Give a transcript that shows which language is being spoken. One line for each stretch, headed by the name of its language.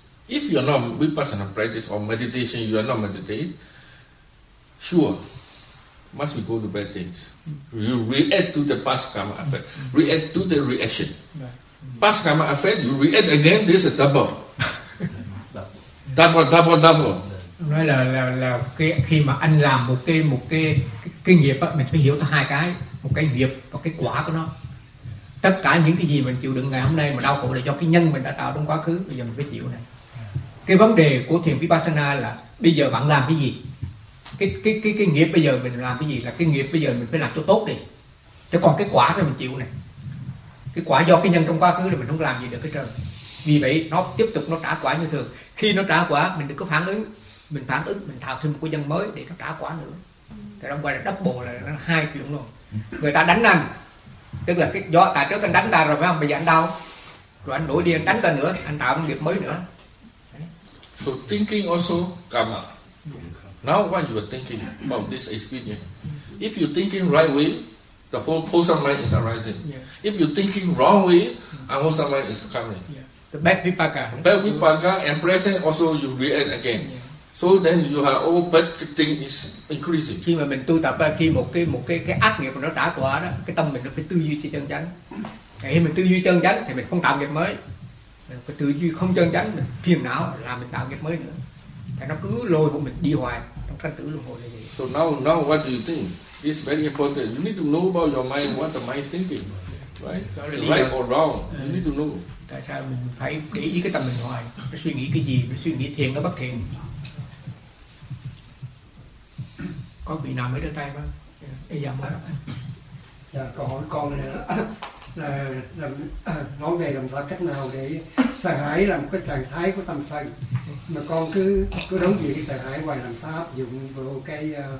English: If you are not vipassana practice or meditation, you are not meditating, sure, must we go to bad things. You react to the past karma effect. React to the reaction. Past karma effect, you react again, this is double. double.
Vietnamese: Nói là khi mà anh làm một cái nghiệp á, mình phải hiểu hai cái. một cái nghiệp và cái quả của nó. Tất cả những cái gì mình chịu đựng ngày hôm nay mà đau khổ là do cái nhân mình đã tạo trong quá khứ, bây giờ mình phải chịu này. Cái vấn đề của thiền Vipassana là bây giờ bạn làm cái gì, cái nghiệp bây giờ mình làm cái gì, là cái nghiệp bây giờ mình phải làm cho tốt đi, chứ còn cái quả thì mình chịu này. Cái quả do cái nhân trong quá khứ là mình không làm gì được hết trơn. Vì vậy nó tiếp tục nó trả quả như thường. Khi nó trả quả mình đừng có phản ứng, mình phản ứng mình tạo thêm một cái nhân mới để nó trả quả nữa. Thì đâm qua là double, là nó hai chuyện luôn. Người ta đánh anh, tức là cái do tại trước anh đánh ta rồi phải không, bây giờ anh đau rồi anh đổi đi anh đánh ta nữa, anh tạo nghiệp mới nữa.
English: So thinking also karma. Now what you are thinking about this experience, if you thinking right way, the wholesome mind is arising. Yeah. If you thinking wrong way, unwholesome mind is coming. Yeah. The bad vipaka. Bad vipaka and present also you react again. Yeah. So then you have all bad thing is increasing.
Vietnamese: Khi mà mình tu tập, khi một cái ác nghiệp nó trả quả đó, cái tâm mình nó phải tư duy chỉ chân chánh. Khi mình tư duy chân chánh thì mình không tạo nghiệp mới. Cái tư duy không chân chánh mình phiền não là mình tạo nghiệp mới nữa. Thì nó cứ lôi của mình đi hoài trong căn tử luân hồi này.
English: So now what do you think? It's very important. You need to know about your mind, what the mind is thinking, right? Right or wrong? You need to know.
Vietnamese: Tại sao mình phải để ý cái tâm mình hoài? Nó suy nghĩ cái gì? Nó suy nghĩ thiền hay bất thiền? Có vị nào mới đưa tay không? Bây giờ mới. Dạ, câu hỏi con này là nói về làm sao cách nào để sợ hãi là một cái trạng thái của tâm sân, mà con cứ đóng gì cái sợ hãi hoài, làm sao áp dụng vào cái